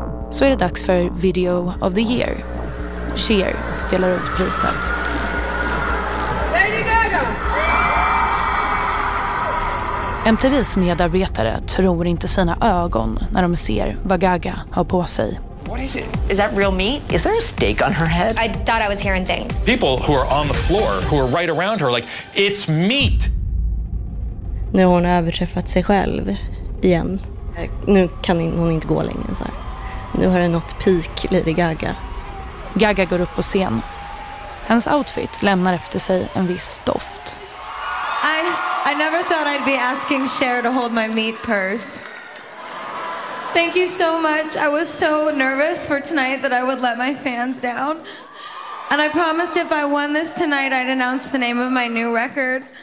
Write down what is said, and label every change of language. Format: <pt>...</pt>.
<sv>Så är det dags för Video of the Year. Cher delar ut priset. MTVs medarbetare tror inte sina ögon när de ser vad Gaga har på sig.</sv> <en>What is it? Is that real meat? Is there a steak on her head? I thought I was hearing things. People who are on the floor, who are right around her, like, it's meat!</en> <sv>Nu har hon överträffat sig själv igen. Nu kan hon inte gå längre så här. Nu har det nått peak, Lady Gaga. Gaga går upp på scen. Hennes outfit lämnar efter sig en viss doft.</sv> <en>I never thought I'd be asking Cher to hold my meat purse. Thank you so much. I was so nervous for tonight that I would let my fans down. And I promised if I won this tonight, I'd announce the name of my new record.</en>